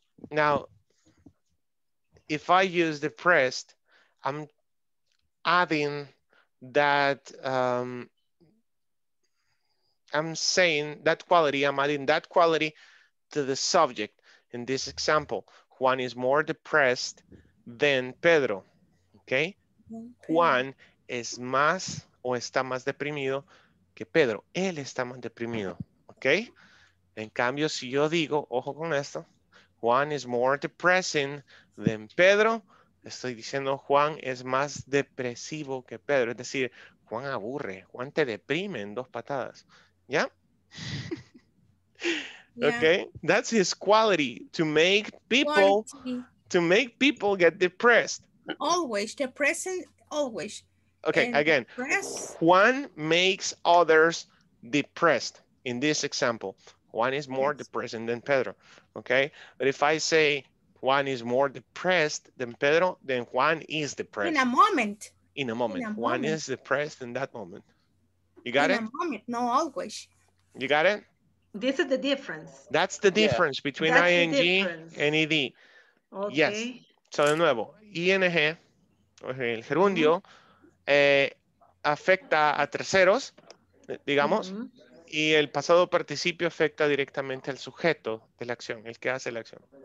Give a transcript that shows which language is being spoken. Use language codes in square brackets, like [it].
[en] Now, if I use depressed, I'm adding that, I'm saying that quality, I'm adding that quality to the subject. In this example, Juan is more depressed than Pedro, okay? [es] Juan es más o está más deprimido que Pedro. Él está más deprimido, okay? En cambio, si yo digo, ojo con esto, [en] Juan is more depressing than Pedro. [es] Estoy diciendo Juan es más depresivo que Pedro. Es decir, Juan aburre. Juan te deprime en dos patadas. ¿Ya? [en] Okay, that's his quality, to make people get depressed. Always depressing, always. Okay, and again, Juan makes others depressed. In this example, Juan is more depressing than Pedro, okay? But if I say Juan is more depressed than Pedro, then Juan is depressed. In a moment. In a moment. In a Juan moment. Is depressed in that moment. You got in it? In a moment, no, always. You got it? This is the difference. That's the difference between That's ING and ED. Okay. Yes. [es] So, de nuevo, ING, el gerundio, afecta a terceros, digamos, y el pasado participio afecta directamente al sujeto de la acción, el que hace la acción.